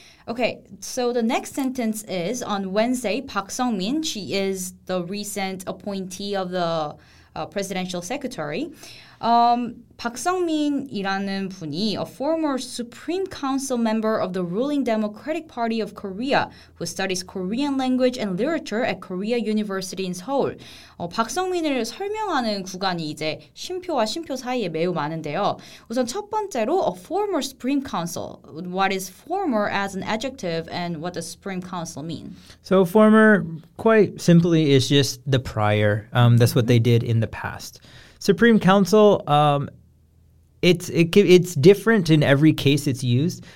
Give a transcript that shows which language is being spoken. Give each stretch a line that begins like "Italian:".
English: Okay, so the next sentence is, on Wednesday, Park Sung-min, she is the recent appointee of the presidential secretary,
Korean: 박성민이라는 분이
English: a former Supreme Council member of the ruling Democratic Party of Korea who studies Korean language and literature at Korea University in Seoul.
Korean: 박성민을 설명하는 구간이 이제 쉼표와 쉼표 사이에 매우 많은데요. 우선 첫 번째로
English: a former Supreme Council. What is former as an adjective and what does Supreme Council mean? So former, quite simply, is just the prior. That's what they did in the past. Supreme Council, it's different in every case it's used.